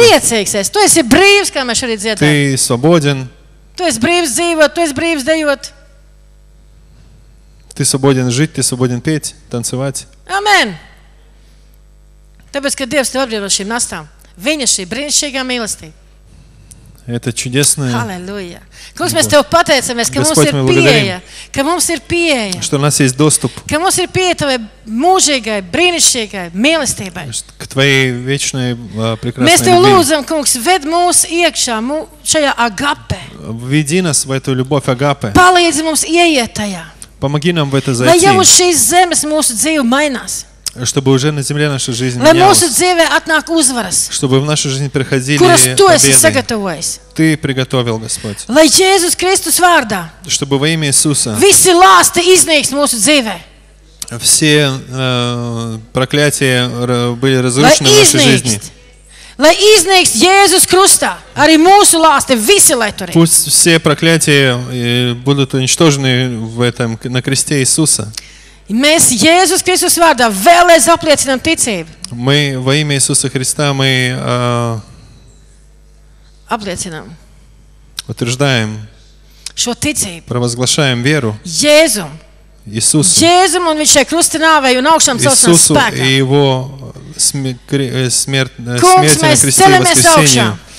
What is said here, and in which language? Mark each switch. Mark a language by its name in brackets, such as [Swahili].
[Latvian] Priecīgsies, tu esi brīvs, kā mēs arī dziedām. [Russian] Ты свободен. [Latvian] Tu esi brīvs dzīvot, tu esi brīvs dejot. [Russian] Ты свободен жить, ты свободен петь, танцевать. Amen. [Latvian] Tāpēc, ka Dievs tev atbrīvo šīm nastām, viņa šī brīnišķīgā mīlestība. [Russian] Это чудесное. [Latvian] Аллилуйя. Kungs, mēs tev pateicamies, ka mums ir pieeja, ka mums ir pieeja. [Russian] Что у нас есть доступ. [Latvian] Ka mums ir pieeja tavai mūžīgai, brīnišķīgai mīlestībai. [Russian] К твоей вечной прекрасной. [Latvian] Mēs tev lūdzam, Kungs, ved mūs iekšā, šajā agape. [Russian] Веди нас в эту любовь агапе. [Latvian] Palīdzi mums ieiet tajā. [Russian] Помоги нам в это зайти. [Latvian] Lai jau uz šīs zemes mūsu dzīve mainās. [Russian] Чтобы уже на земле наша жизнь менялась. [Latvian] Lai mūsu dzīvē atnāk uzvaras. [Russian] Чтобы в нашу жизнь приходили победы. [Latvian] Kuras tu esi sagatavojis. [Russian] Ты приготовил, Господь. [Latvian] Lai Jēzus Kristus vārdā. [Russian] Чтобы во имя Иисуса. [Latvian] Visi lāsti iznīkst mūsu dzīvē. [Russian] Все проклятия были разрушены в нашей жизни. [Latvian] Lai iznīkst Jēzus Krustā. Arī mūsu lāsti visi lai turi. [Russian] Пусть все проклятия будут уничтожены в этом на кресте Иисуса. [Latvian] Mēs Jēzus Kristus vārdā vēlreiz apliecinām ticību. [Russian] Мы во имя Иисуса Христа мы [Latvian] апплиецинам. [Russian] Утверждаем. [Latvian] Šo ticību. [Russian] Провозглашаем веру. [Latvian] Jēzum. [Russian] Иисусу. [Latvian] Jēzum un viņš šeit krusta nāvē un augšām celšanās spēkā. [Russian] Иисусу и его смерть на кресте и воскресение.